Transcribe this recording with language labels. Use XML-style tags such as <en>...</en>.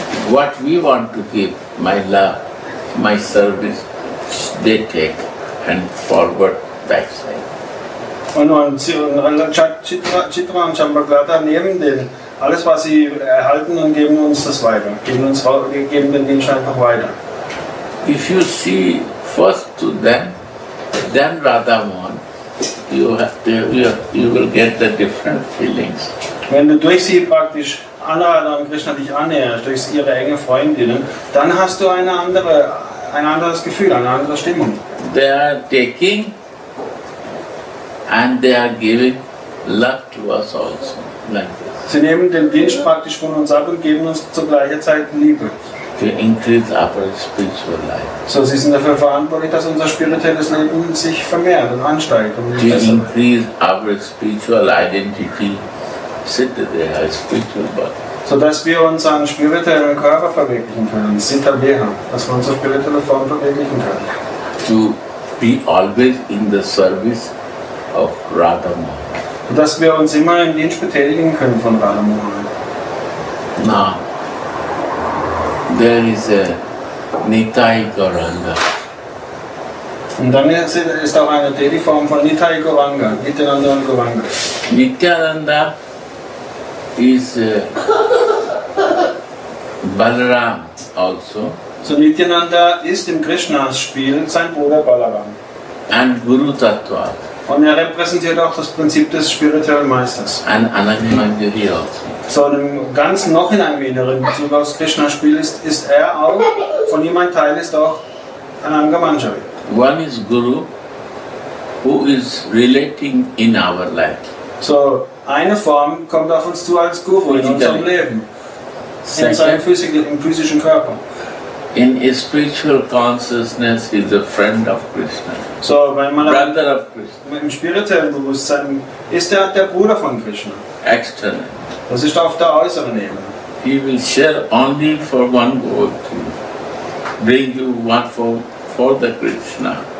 <en>What we want to give, my love, my service, they take and forward that side.</en> <de>Und Chitra und Champaklata nehmen den, alles was sie erhalten und geben uns das weiter. Geben den Dienst einfach weiter.</de> <en>If you see first to them, then Radha Mohan, you will get the different feelings.</en> <de>Wenn du durch sie praktisch Anuradha und Krishna dich annäherst, durch ihre enge Freundinnen, dann hast du ein anderes Gefühl, eine andere Stimmung.</de> <en>They are taking and they are giving love to us also.</en> <de>Sie nehmen den Dienst praktisch von uns ab und geben uns zur gleichen Zeit Liebe.</de> <en>To increase our spiritual life.</en> <de>So, sie sind dafür verantwortlich, dass unser spirituelles Leben sich vermehrt und ansteigt.</de> <en>To increase our spiritual identity, Siddha Deha, spiritual body.</en> <de>So, dass wir unseren spirituellen Körper verwirklichen können, Siddha Deha, dass wir unsere spirituelle Form verwirklichen können.</de> <en>To be always in the service of Radha Mohan.</en> <de>So, dass wir uns immer im Dienst betätigen können von Radha Mohan. Na.</de> <en>There is a Nithai Gauranga.</en> <de>Und dann ist auch eine Deity-Form von Nithai Gauranga, Nithyananda und Gauranga.</de> <en>Nithyananda is Balaram also.</en> <de>So Nithyananda ist im Krishna-Spiel sein Bruder Balaram.</de> <en>And Guru Tattva.</en> <de>Und er repräsentiert auch das Prinzip des spirituellen Meisters. An anderen Gehirn. So, und im Ganzen noch in einem inneren Bezug aufs Krishna-Spiel ist er auch, von ihm ein Teil ist auch Ananga Manjari.</de> <en>One is Guru, who is relating in our life.</en> <de>So, eine Form kommt auf uns zu als Guru physically. In unserem Leben. In seinem physischen Körper.</de> <en>In his spiritual consciousness, he is a friend of Krishna.</en> <de>So, wenn man</de> <en>Brother of Krishna.</en> <de>Im spirituellen Bewusstsein ist er der Bruder von Krishna.</de> <en>External.</en> <de>Das ist auf der äußeren Ebene.</de> <en>He will share only for one goal to bring you one for the Krishna.</en>